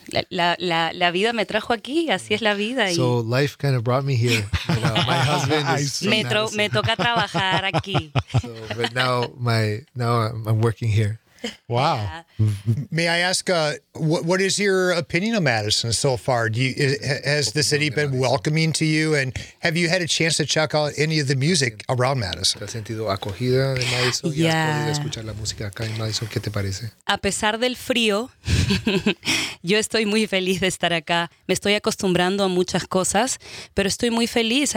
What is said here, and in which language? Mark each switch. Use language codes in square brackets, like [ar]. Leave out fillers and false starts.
[es] La vida me trajo aquí, así es la vida. [en] So life kind of brought me here. My husband is [es] me toca trabajar aquí. [en] But now I'm working here. Wow. Yeah. May I ask, what is your opinion of Madison so far? Has the city been welcoming to you? And have you had a chance to check out any of the music around Madison? [es] ¿Te has sentido acogida en Madison? ¿Y has podido escuchar la música acá en Madison? ¿Qué te parece? A pesar del frío, yo estoy muy feliz de estar acá. Me estoy acostumbrando a muchas cosas, pero estoy muy feliz.